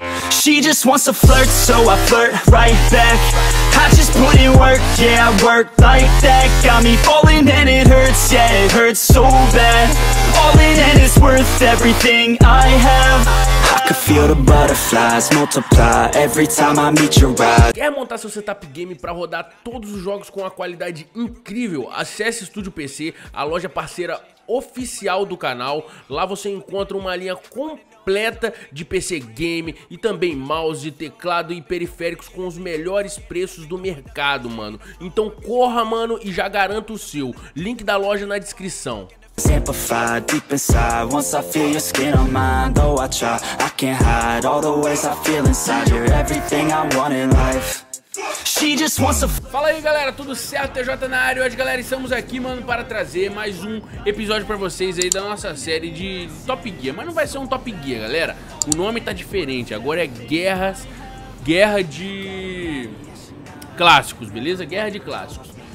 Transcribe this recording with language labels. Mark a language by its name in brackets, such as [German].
[English] She just wants to flirt, so I flirt right back. I just put in work, yeah, I work like that. Got me falling and it hurts, yeah, it hurts so bad. All in and it's worth everything I have. I can feel the butterflies multiply every time I meet your eyes. [Portuguese] Quer montar seu setup game pra rodar todos os jogos com uma qualidade incrível? Acesse Estúdio PC, a loja parceira oficial do canal. Lá você encontra uma linha completa de PC game e também mouse, teclado e periféricos com os melhores preços do mercado, mano. Então corra, mano, e já garanta o seu. Link da loja na descrição. [English] Amplified deep inside, once I feel your skin on mine, though I try, I can't hide all the ways I feel inside. You're everything I want in life. She just wants a... [Portuguese] Fala aí, galera, tudo certo? TJ na área. Hoje, galera, estamos aqui, mano, para trazer mais um episódio pra vocês aí da nossa série de Top Gear. Mas não vai ser um Top Gear, galera. O nome tá diferente, agora é Guerras. Guerra de Clássicos, beleza? Guerra de Clássicos.